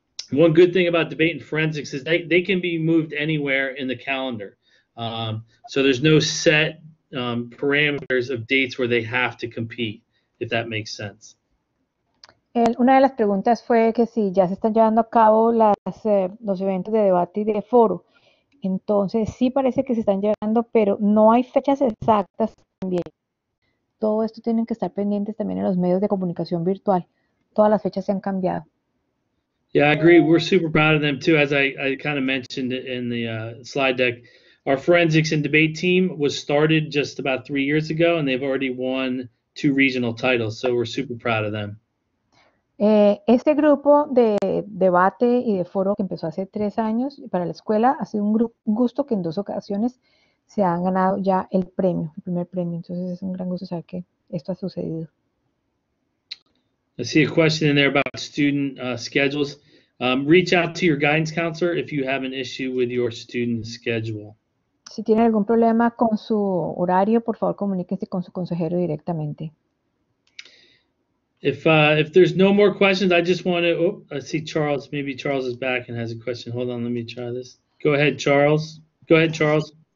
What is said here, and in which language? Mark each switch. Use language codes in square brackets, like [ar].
[en] One good thing about debate and forensics is they can be moved anywhere in the calendar. So there's no set parameters of dates where they have to compete, if that makes sense. [es] Una de las preguntas fue que si ya se están llevando a cabo los eventos de debate y de foro. Entonces, sí parece que se están llevando, pero no hay fechas exactas también. Todo esto tienen que estar pendientes también en los medios de comunicación virtual. Todas las fechas se han cambiado. [en] Yeah, I agree. We're super proud of them too, as I kind of mentioned in the slide deck. Our forensics and debate team was started just about 3 years ago, and they've already won 2 regional titles, so we're super proud of them. [es] Este grupo de debate y de foro que empezó hace 3 años para la escuela ha sido un gusto que en 2 ocasiones se han ganado ya el premio, el primer premio. Entonces es un gran gusto saber que esto ha sucedido. [en] I see a question in there about student schedules. Reach out to your guidance counselor if you have an issue with your student schedule. [es] Si tiene algún problema con su horario, por favor, comuníquese con su consejero directamente. [en] If there's no more questions, I just want to, oh, I see Charles, maybe Charles is back and has a question. Hold on, let me try this. Go ahead, Charles. Go ahead, Charles.